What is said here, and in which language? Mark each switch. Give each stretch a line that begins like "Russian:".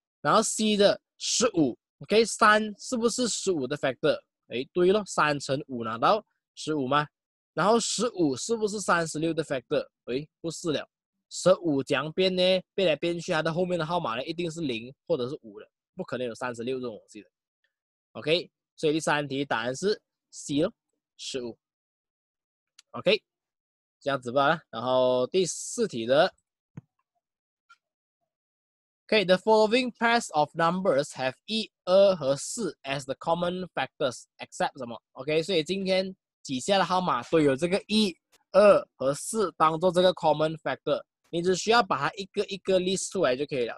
Chinese: 然后 C 的 15， OK， 3是不是15的 factor， 诶对咯，3乘5拿到15吗，然后15是不是36的 factor， 诶不是了，15怎样变呢，变来变去它的后面的号码呢一定是0或者是5的，不可能有36这种东西的 OK。所以第三题答案是 C 咯，15。 OK， 这样子吧。然后第四题的
English: ，OK， the following pairs of numbers have 1、2和4 as the common factors, except 什么 ？OK，
Chinese: 所以今天底下的号码都有这个1、2和4当做这个 common factor， 你只需要把它一个一个 list 出来就可以了。